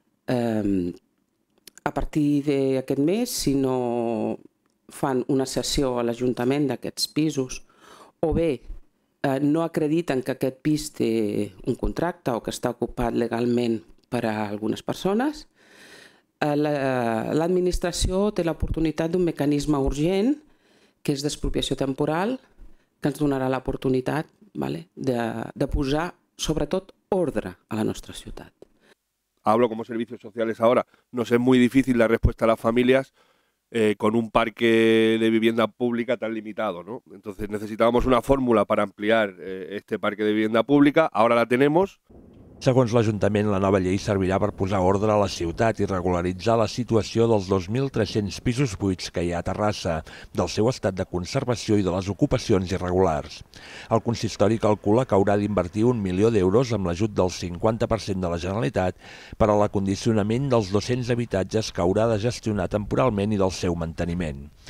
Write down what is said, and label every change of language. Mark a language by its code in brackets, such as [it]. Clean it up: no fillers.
[ca] A partir d'aquest mes, si no fan una cessió a l'Ajuntament d'aquests pisos, o bé no acrediten que aquest pis té un contracte o que està ocupat legalment per a algunes persones, l'administració té l'oportunitat d'un mecanisme urgent, que és d'expropiació temporal, que ens donarà l'oportunitat, vale, de posar, sobretot, ordre a la nostra ciutat. [es] Hablo como servicios sociales ahora. Nos es muy difícil la respuesta a las familias con un parque de vivienda pública tan limitado, ¿no? Entonces necesitábamos una fórmula para ampliar este parque de vivienda pública. Ahora la tenemos. [ca] Segons l'Ajuntament, la nova llei servirà per posar ordre a la ciutat i regularitzar la situació dels 2.300 pisos buits que hi ha a Terrassa, del seu estat de conservació i de les ocupacions irregulars. El consistori calcula que haurà d'invertir 1 milió d'euros amb l'ajut del 50% de la Generalitat per a l'acondicionament dels 200 habitatges que haurà de gestionar temporalment i del seu manteniment.